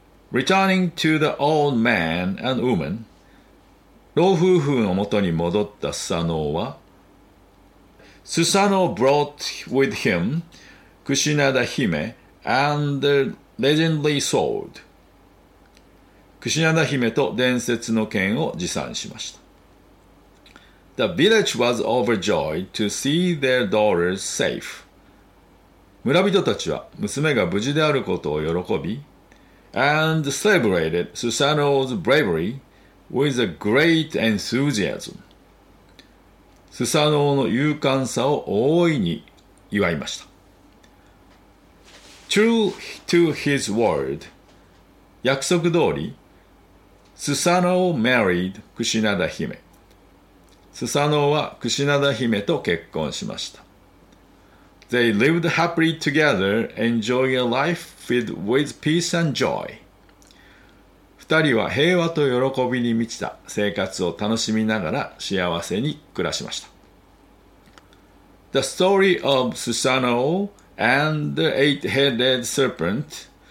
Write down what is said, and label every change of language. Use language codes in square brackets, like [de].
[en] Returning to the old man and woman. [ja] 老夫婦のもとに戻ったスサノオは、 [en] スサノオ brought with him クシナダ姫 and the legendary sword. [ja] クシナダ姫と伝説の剣を持参しました。 [en] The village was overjoyed to see their daughters safe. [ja] 村人たちは娘が無事であることを喜び、 [en] and celebrated Susano's bravery with a great enthusiasm. [ja] スサノオの勇敢さを大いに祝いました。 [en] True to his word, [ja] 約束通り、 [en] Susano married Kushinada 姫。 [ja] スサノオはクシナダ姫と結婚しました。 [en] They lived happily together, enjoying a life filled with peace and joy. [ja] 二人は平和と喜びに満ちた生活を楽しみながら幸せに暮らしました。 [en] The story of Susano and the eight-headed serpent.